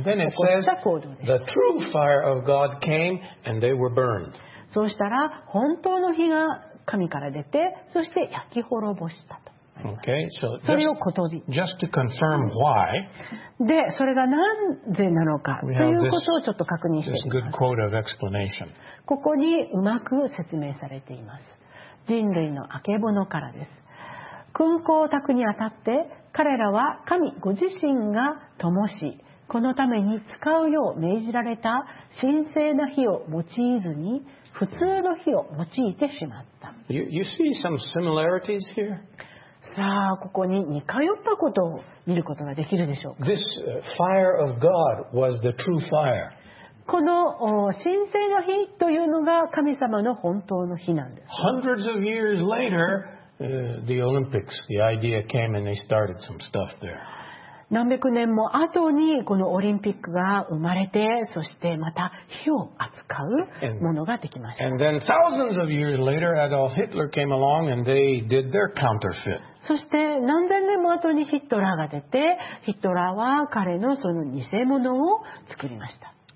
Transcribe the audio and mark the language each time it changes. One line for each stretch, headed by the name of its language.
Japanese: 起こった行動です。
English: The true fire of God came and they were burned.
Japanese: そうしたら本当の火が神から出て、そして焼き滅ぼしたと。
English: Okay, so just to confirm why.
Japanese: で、それがなぜなのかということをちょっと確認してみます。
English: This good quote of explanation.
Japanese: ここにうまく説明されています。人類の曙からです。薫香炊くにあたって、彼らは神ご自身が灯し、このために使うよう命じられた神聖な火を用いずに、普通の火を用いてしまった。
English: You see some similarities here?
Japanese: さあここに似通ったことを見ることができるでしょうか。
English: This fire of God was the true fire.
Japanese: この神聖の火というのが神様の本当の火なんです。
English: Hundreds of years later, the Olympics, the idea came and they started some stuff there.
Japanese: 何百年も後にこのオリンピックが生まれて、そしてまた火を扱うものができました。
English: And then thousands of years later, Adolf Hitler came along and they did their counterfeit.
Japanese: そして何千年も後にヒトラーが出て、ヒトラーは彼のその偽物を作りました。